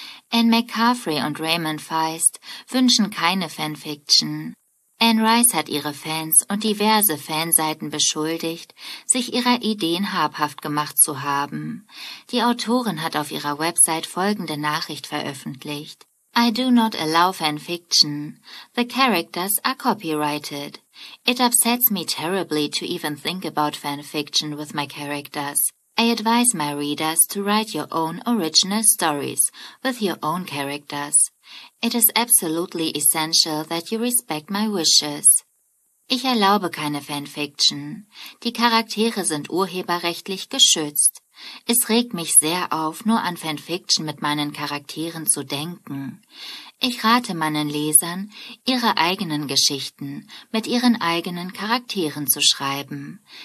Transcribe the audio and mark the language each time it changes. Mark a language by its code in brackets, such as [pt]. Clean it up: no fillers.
[de] Anne McCaffrey und Raymond Feist wünschen keine Fanfiction. Anne Rice hat ihre Fans und diverse Fanseiten beschuldigt, sich ihrer Ideen habhaft gemacht zu haben. Die Autorin hat auf ihrer Website folgende Nachricht veröffentlicht. [en] I do not allow fanfiction. The characters are copyrighted. It upsets me terribly to even think about fanfiction with my characters. I advise my readers to write your own original stories with your own characters. It is absolutely essential that you respect my wishes. [de] Ich erlaube keine Fanfiction. Die Charaktere sind urheberrechtlich geschützt. Es regt mich sehr auf, nur an Fanfiction mit meinen Charakteren zu denken. Ich rate meinen Lesern, ihre eigenen Geschichten mit ihren eigenen Charakteren zu schreiben.